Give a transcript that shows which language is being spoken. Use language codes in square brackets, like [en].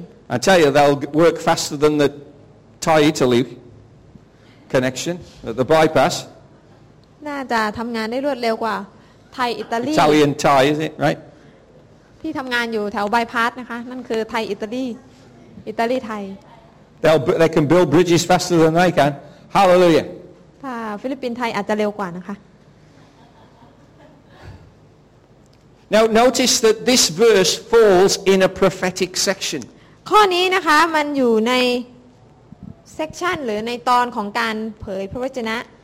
[en] I tell you they'll work faster than the Thai Italy connection at the bypass. [th] น่าจะทำงานได้รวดเร็วกว่าไทยอิตาลี [en] Italian Thai is it right [th] พี่ทำงานอยู่แถวบายพาสนะคะนั่นคือไทยอิตาลีอิตาลีไทย [en] They can build bridges faster than I can Hallelujah [th] ถ้าฟิลิปปินส์ไทยอาจจะเร็วกว่านะคะ [en] Now notice that this verse falls in a prophetic section [th] ข้อนี้นะคะมันอยู่ในเซกชันหรือในตอนของการเผยพระวจนะ